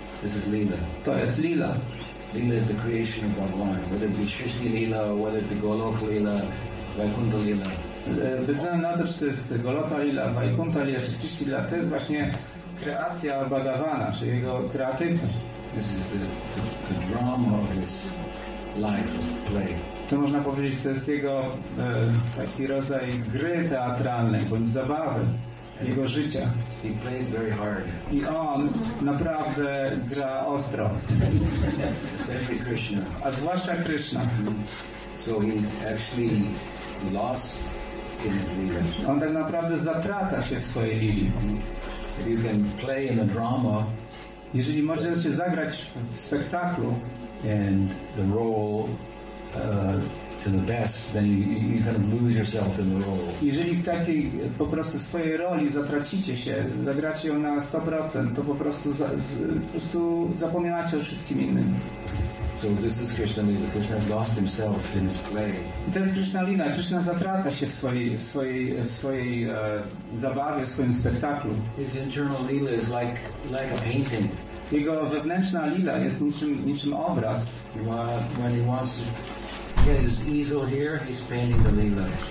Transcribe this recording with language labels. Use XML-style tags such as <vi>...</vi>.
<en>This is Lila.</en> <pl>To jest Lila.</pl> <en>Lila is the creation of Bhagwan. Whether it be Srishti Lila, whether it be Golok Lila, Vaikuntha Lila.</en> <pl>Bez względu na to, czy to jest Goloka Lila, Vaikuntha Lila, czy Srishti Lila, to jest właśnie kreacja Bhagavana, czy jego kreatywność.</pl> <en>This is the drama of his life, of play.</en> <pl>To można powiedzieć, to jest jego taki rodzaj gry teatralnej, bądź zabawy,</pl> <en>and</en> <pl>jego życia.</pl> <en>He plays very hard.</en> <pl>I on naprawdę gra ostro.</pl> <en>Especially Krishna.</en> <pl>A zwłaszcza Krishna.</pl> <en>So he's actually lost.</en> <pl>On tak naprawdę zatraca się w swojej lili.</pl> <en>If you can play in a drama,</en> <pl>jeżeli możecie zagrać w spektaklu</pl> <en>and the role to the best, then you kind of lose yourself in the role.</en> <pl>Jeżeli w takiej po prostu swojej roli zatracicie się, zagracie ją na 100%, to po prostu zapominacie o wszystkim innym.</pl> <en>So this is Krishna Lila. Krishna has lost himself in his play.</en> <pl>To jest Krishna Lila. Krishna zatraca się w swojej zabawie, w swoim spektaklu.</pl> <en>His internal Lila is like a painting.</en> <pl>Jego wewnętrzna Lila jest niczym obraz.</pl> <en>When he wants to get his easel here, he's painting the Lila.</en>